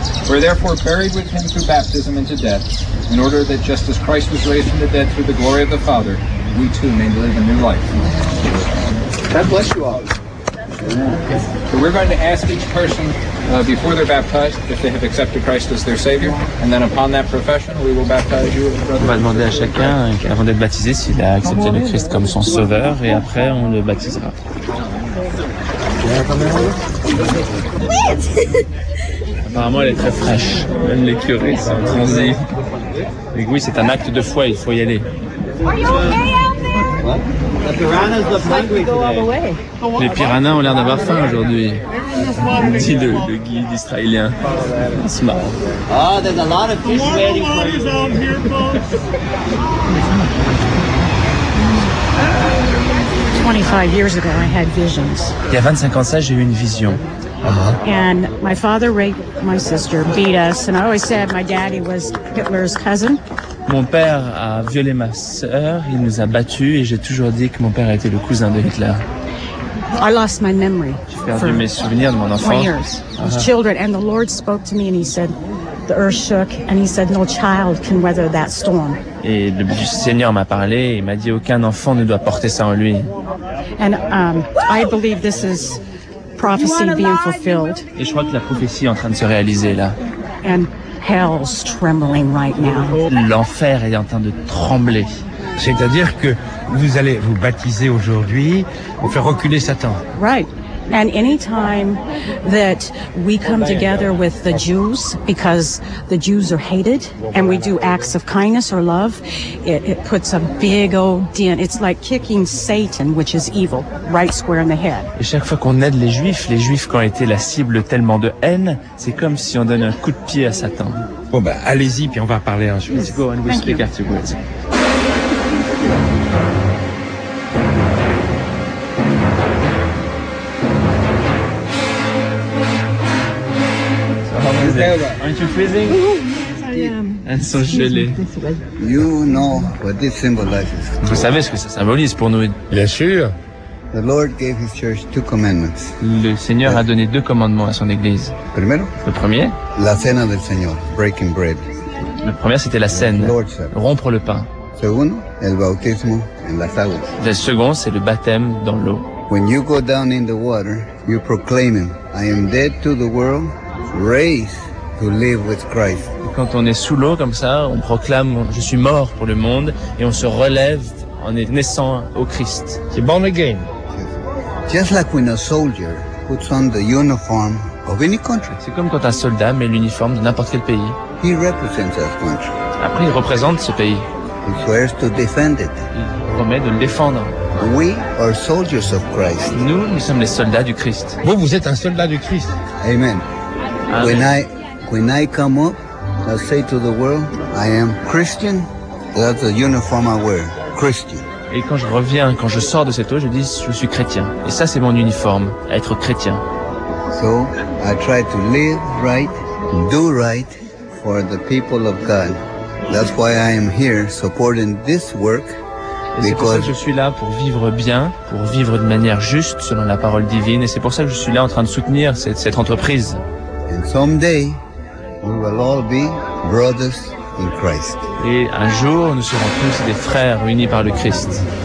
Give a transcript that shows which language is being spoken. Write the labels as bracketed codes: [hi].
[en] We're therefore buried with him through baptism into death, in order that just as Christ was raised from the dead through the glory of the Father, we too may live a new life. God bless you all. So we're going to ask each person before they're baptized if they have accepted Christ as their Savior, and then upon that profession, we will baptize you. [fr] On va demander à chacun avant d'être baptisé s'il a accepté le Christ comme son Sauveur, et après on le baptisera. Apparemment, elle est très fraîche. Même les curés sont transis. Mais oui, c'est un acte de foi, il faut y aller. [en] Are you okay out there? [fr] Les piranhas ont l'air d'avoir faim aujourd'hui, dit le guide israélien. C'est marrant. [en] Oh, there's a lot of fish waiting for you. [fr] Il y a 25 ans, j'ai eu une vision. [en] And my father raped my sister, beat us, and I always said my daddy was Hitler's cousin. [fr] Mon père a violé ma sœur, il nous a battus, et j'ai toujours dit que mon père était le cousin de Hitler. [en] I lost my memory. [fr] J'ai perdu mes souvenirs de mon enfant. [en] Children, and the Lord spoke to me, and he said, the earth shook, and he said, no child can weather that storm. [fr] Et le Seigneur m'a parlé, il m'a dit, aucun enfant ne doit porter ça en lui. [en] And I believe this is prophecy being fulfilled. [fr] Et je crois que la prophétie est en train de se réaliser là. [en] And hell's trembling right now. [fr] L'enfer est en train de trembler. C'est-à-dire que vous allez vous baptiser aujourd'hui pour faire reculer Satan. [en] Right. And any time that we come together with the Jews, because the Jews are hated, and we do acts of kindness or love, it puts a big old dent. It's like kicking Satan, which is evil, right square in the head. [fr] Et chaque fois qu'on aide les Juifs qui ont été la cible tellement de haine, c'est comme si on donne un coup de pied à Satan. Bon ben, allez-y, puis on va parler en juif. [en] Let's go and we'll speak afterwards. Aren't you freezing? Yes, I am. [fr] Elles sont gelées. [en] You know what this symbolizes. [fr] Vous savez ce que ça symbolise pour nous. Bien sûr. [en] The Lord gave his church two commandments. [fr] Le Seigneur a donné deux commandements à son église. [es] Primero, [fr] le premier. [es] La cena del Señor, [en] breaking bread. [fr] Le premier, c'était la cène, rompre le pain. [es] Segundo, el bautismo en las aguas. [fr] Le second, c'est le baptême dans l'eau. [en] When you go down in the water, you proclaim him, I am dead to the world. Raise to live with Christ. [fr] Quand on est sous l'eau comme ça, on proclame je suis mort pour le monde et on se relève en naissant au Christ. [en] He's born again. Just like when a soldier puts on the uniform of any country. [fr] C'est comme quand un soldat met l'uniforme de n'importe quel pays. [en] He represents that country. [fr] Après, il représente ce pays. [en] He swears to defend it. [fr] Il promet de le défendre. [en] We are soldiers of Christ. [fr] Nous sommes les soldats du Christ. Vous êtes un soldat du Christ. [en] Amen. When I come up, I say to the world, I am Christian. That's the uniform I wear, Christian. [fr] Et quand je reviens, quand je sors de cette eau, je dis, je suis chrétien. Et ça, c'est mon uniforme, être chrétien. [en] So I try to live right, do right for the people of God. That's why I am here supporting this work. [fr] Et c'est pour ça que je suis là pour vivre bien, pour vivre de manière juste selon la parole divine. Et c'est pour ça que je suis là en train de soutenir cette entreprise. [en] And someday we will all be brothers in Christ. [fr] Et un jour nous serons tous des frères unis par le Christ.